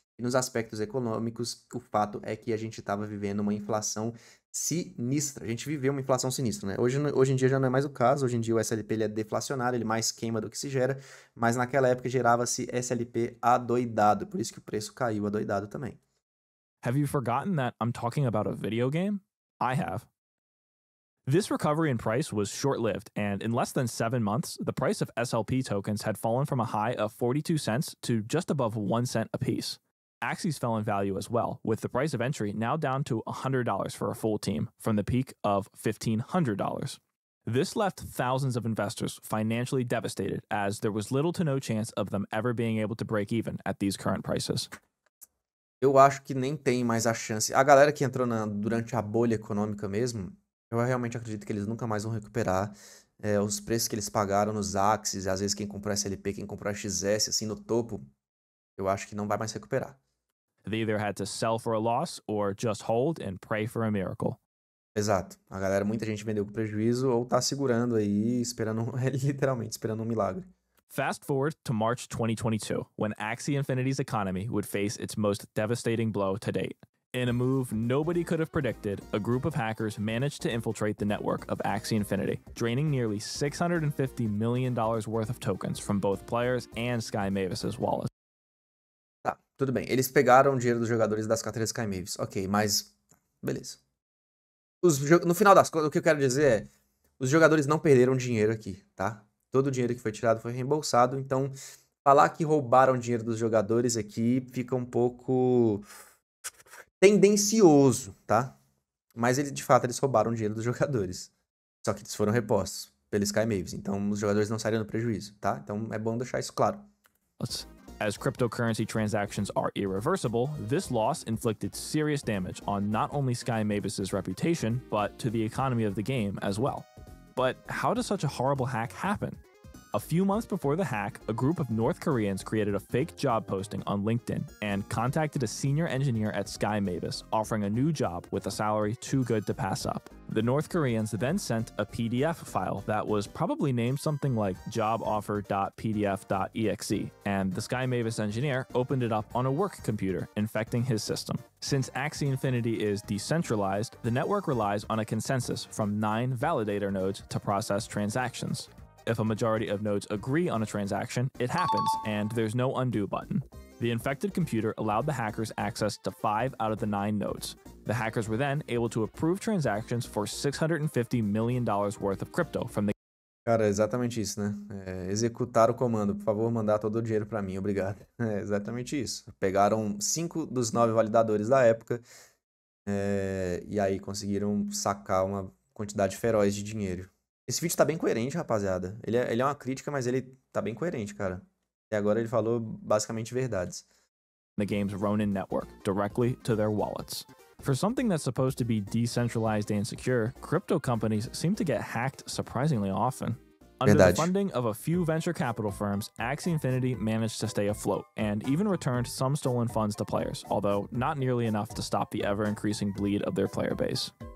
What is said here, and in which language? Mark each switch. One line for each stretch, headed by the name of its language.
Portuguese: E nos aspectos econômicos, o fato é que a gente tava vivendo uma inflação sinistra. A gente viveu uma inflação sinistra, né? Hoje em dia já não é mais o caso. Hoje em dia o SLP ele é deflacionário, ele mais queima do que se gera. Mas naquela época gerava-se SLP adoidado. Por isso que o preço caiu adoidado também.
English: Have you forgotten that I'm talking about a video game? I have. This recovery in price was short-lived, and in less than 7 months, the price of SLP tokens had fallen from a high of 42 cents to just above 1 cent apiece. Axies fell in value as well, with the price of entry now down to $100 for a full team, from the peak of $1,500. This left thousands of investors financially devastated, as there was little to no chance of them ever being able to break even at these current prices.
Portuguese: Eu acho que nem tem mais a chance. A galera que entrou durante a bolha econômica mesmo, eu realmente acredito que eles nunca mais vão recuperar os preços que eles pagaram nos Axies, às vezes quem comprou SLP, quem comprou XS, assim, no topo. Eu acho que não vai mais recuperar.
English: They either had to sell for a loss or just hold and pray for a miracle.
Portuguese: Exato. A galera, muita gente vendeu com prejuízo ou tá segurando aí, esperando, literalmente, esperando um milagre.
English: Fast forward to March 2022, when Axie Infinity's economy would face its most devastating blow to date. In a move nobody could have predicted, a group of hackers managed to infiltrate the network of Axie Infinity, draining nearly $650 million worth of tokens from both players and Sky Mavis's wallets.
Portuguese: Tudo bem, eles pegaram o dinheiro dos jogadores das carteiras Sky Mavis. Ok, mas... Beleza. No final das contas, o que eu quero dizer é... Os jogadores não perderam dinheiro aqui, tá? Todo o dinheiro que foi tirado foi reembolsado. Então, falar que roubaram dinheiro dos jogadores aqui fica um pouco... tendencioso, tá? Mas eles, de fato, eles roubaram dinheiro dos jogadores. Só que eles foram repostos pelos Sky Mavis. Então, os jogadores não saíram no prejuízo, tá? Então, é bom deixar isso claro.
English: As cryptocurrency transactions are irreversible, this loss inflicted serious damage on not only Sky Mavis' reputation, but to the economy of the game as well. But how does such a horrible hack happen? A few months before the hack, a group of North Koreans created a fake job posting on LinkedIn and contacted a senior engineer at Sky Mavis, offering a new job with a salary too good to pass up. The North Koreans then sent a PDF file that was probably named something like joboffer.pdf.exe, and the Sky Mavis engineer opened it up on a work computer, infecting his system. Since Axie Infinity is decentralized, the network relies on a consensus from 9 validator nodes to process transactions. If a majority of nodes agree on a transaction, it happens, and there's no undo button. The infected computer allowed the hackers access to 5 out of the 9 nodes. The hackers were then able to approve transactions for $650 million worth of crypto from the...
Portuguese: Cara, é exatamente isso, né? É, executar o comando. Por favor, mandar todo o dinheiro pra mim. Obrigado. É exatamente isso. Pegaram 5 dos 9 validadores da época, e aí conseguiram sacar uma quantidade feroz de dinheiro. Esse vídeo tá bem coerente, rapaziada. Ele é uma crítica, mas ele tá bem coerente, cara. E agora ele falou basicamente verdades.
English: The game's Ronin network, directly to their wallets. For something that's supposed to be decentralized and secure, crypto companies seem to get hacked surprisingly often. Under the funding of a few venture capital firms, Axie Infinity managed to stay afloat and even returned some stolen funds to players, although not nearly enough to stop the ever-increasing bleed of their player base.